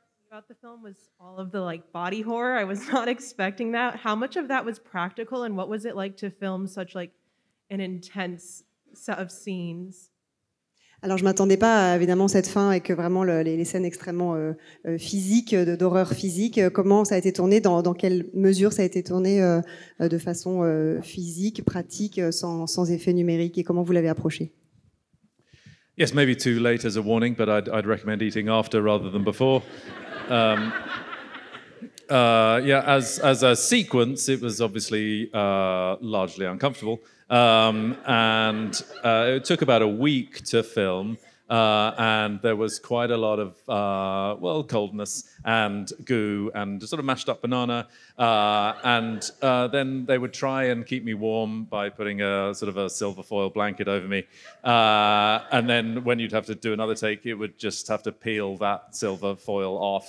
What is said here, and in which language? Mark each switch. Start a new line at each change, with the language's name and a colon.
English: About the film was all of the like body horror. I was not expecting that. How much of that was practical, and what was it like to film such like an intense set of scenes?
French: Alors je m'attendais pas à, évidemment, cette fin et que vraiment les scènes extrêmement physiques, d'horreur physique. Comment ça a été tourné, dans quelle mesure ça a été tourné de façon physique, pratique, sans effet numérique, et comment vous l'avez approché?
English: Yes, maybe too late as a warning, but I'd recommend eating after rather than before. As a sequence, it was obviously largely uncomfortable, and it took about a week to film, and there was quite a lot of coldness and goo and sort of mashed up banana, and then they would try and keep me warm by putting a sort of a silver foil blanket over me, and then when you'd have to do another take, it would just have to peel that silver foil off.